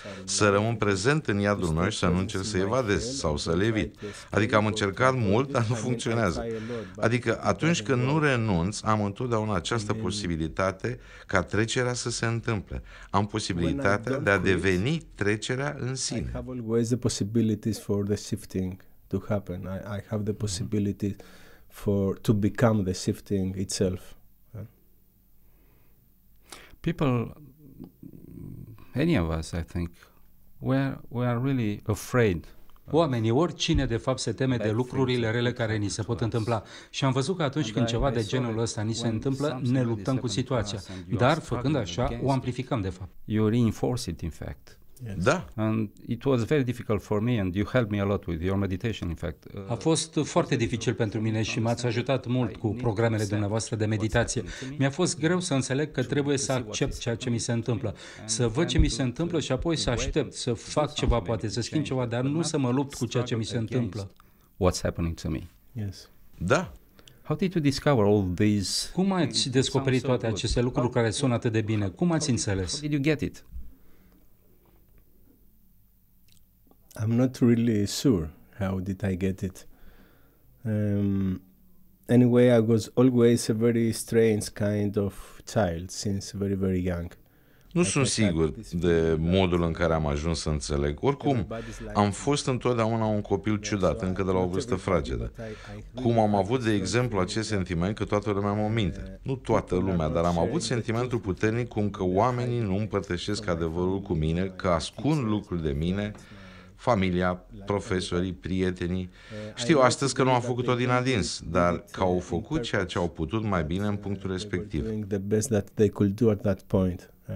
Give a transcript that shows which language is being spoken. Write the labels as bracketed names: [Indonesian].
[Romanian] Să rămân prezent în iadul meu și să nu încerc să evadez sau să levit. Adică am încercat mult, dar nu funcționează. Adică atunci când nu renunț, am întotdeauna această posibilitate ca trecerea să se întâmple. Am posibilitatea de a deveni trecerea în sine. [English] I have always the possibilities for the shifting to happen. I have the possibility for to become the shifting itself. People, any of us, I think, we are really afraid. [Romanian] Oamenii, oricine de fapt se teme de lucrurile rele care ni se pot întâmpla. Și am văzut că atunci când ceva de genul ăsta ni se întâmplă, ne luptăm cu situația. Dar făcând așa, o amplificăm de fapt. [English] You reinforce it, in fact. Yes. Da. And it was very difficult for me and you helped me a lot with your meditation, in fact. [Romanian] A fost foarte dificil pentru mine și m-ați ajutat mult cu programele dumneavoastră de meditație. Mi-a fost greu să înțeleg că trebuie să accept ceea ce mi se întâmplă, să văd ce mi se întâmplă și apoi să aștept, să fac ceva poate, să schimb ceva, dar nu să mă lupt cu ceea ce mi se întâmplă. [English] What's happening to me? Yes. [Romanian] Da. [English] How did you discover all these? [Romanian] Cum ați descoperit toate aceste lucruri care sună atât de bine? Cum ați înțeles? [English] How did you get it? I'm not really sure how did I get it. Anyway, I was always a very strange kind of child since very, very young. [Romanian] Nu sunt sigur de modul în care am ajuns să înțeleg. Oricum, am fost întotdeauna un copil ciudat, încă de la o vârstă fragedă. Cum am avut, de exemplu, acest sentiment că toată lumea mă minte. Nu toată lumea, dar am avut sentimentul puternic cum că oamenii nu împărtășesc adevărul cu mine, că ascund lucruri de mine, familia, profesorii, prietenii. Știu astăzi că nu am făcut-o din adins, dar că au făcut ceea ce au putut mai bine în punctul respectiv. [English] The best that they could do at that point.